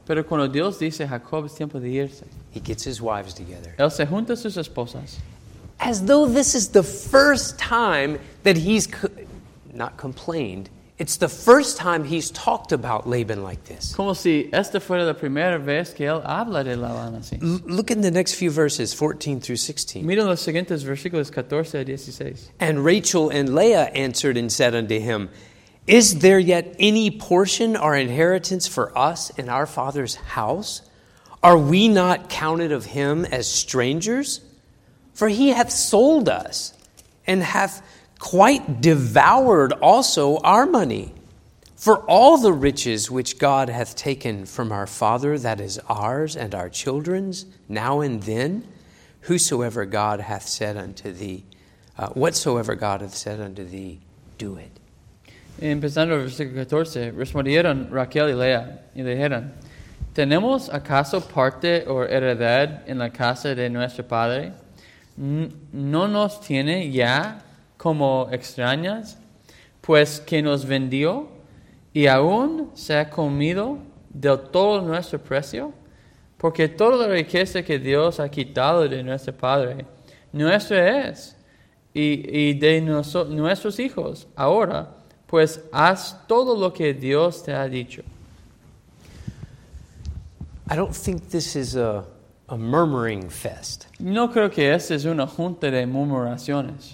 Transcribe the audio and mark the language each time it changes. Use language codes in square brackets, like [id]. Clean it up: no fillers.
[es] Pero cuando Dios dice, Jacob, es tiempo de irse. [en] He gets his wives together. [es] Él se junta a sus esposas. [en] As though this is the first time that he's not complained. It's the first time he's talked about Laban like this. [es] Como si esta fuera la primera vez que él habla de Laban así. [en] Look in the next few verses, 14 through 16. [es] Mira los siguientes versículos, 14 a 16. [en] And Rachel and Leah answered and said unto him, Is there yet any portion or inheritance for us in our father's house? Are we not counted of him as strangers? For he hath sold us, and hath quite devoured also our money. For all the riches which God hath taken from our father, that is ours and our children's, now and then, whosoever God hath said unto thee, whatsoever God hath said unto thee, do it. [es] Empezando el versículo 14, respondieron Raquel y Lea, y dijeron, ¿Tenemos acaso parte o heredad en la casa de nuestro padre? ¿No nos tiene ya como extrañas, pues que nos vendió y aún se ha comido del todo nuestro precio? Porque toda la riqueza que Dios ha quitado de nuestro padre, nuestra es, y de nuestros hijos ahora, pues haz todo lo que Dios te ha dicho. [en] I don't think this is a murmuring fest. [es] No creo que esta es una junta de murmuraciones.